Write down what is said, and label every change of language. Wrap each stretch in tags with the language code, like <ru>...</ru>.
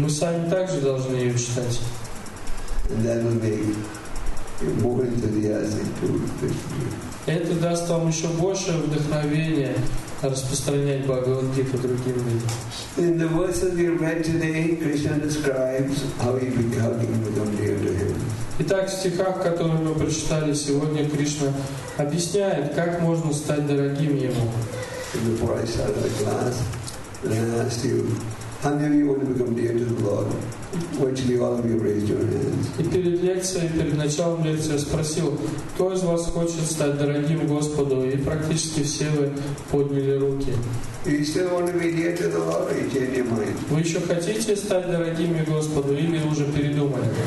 <ru>мы сами также должны ее читать. Это даст вам еще больше вдохновения распространять Бхагавад-гиту другим людям.</ru> <en>In the verses we read today, Krishna describes how he became familiar to him.</en> <ru>Итак, в стихах, которые мы прочитали сегодня, Кришна объясняет, как можно стать дорогим ему.</ru> <en>Before I started the class, I asked you, How many of you want to become dear to the Lord? Which of you all of you raised your hands?</en> <ru>И перед лекцией, перед началом лекции я спросил, кто из вас хочет стать дорогим Господу? И практически все вы подняли руки.</ru> <en>You still want to be dear to the Lord, or you change your mind?</en> <ru>Вы еще хотите стать дорогими Господу или уже передумали?</ru>